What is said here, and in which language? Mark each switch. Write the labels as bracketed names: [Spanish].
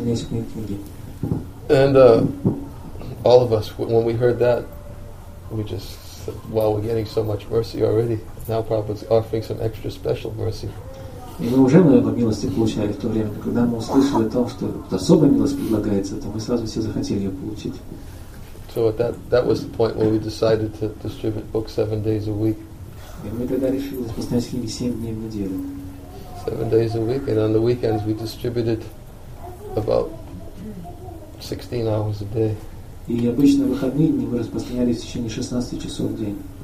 [English] And all of us, when we heard that, we just said, wow, we're getting so much mercy already. Now Prabhupada's offering some extra special mercy. [Russian] И мы уже, наверное, милости получали в то время, но когда мы услышали о том, что особая милость предлагается, то мы сразу все захотели ее получить. [English] So that was the point where we decided to distribute books 7 days a week. [Russian] И мы тогда решили распространять книги 7 дней в неделю. [English] 7 days a week, and on the weekends we distributed about 16 hours a day. [Russian] И обычно в выходные дни мы распространялись в течение 16 часов в день.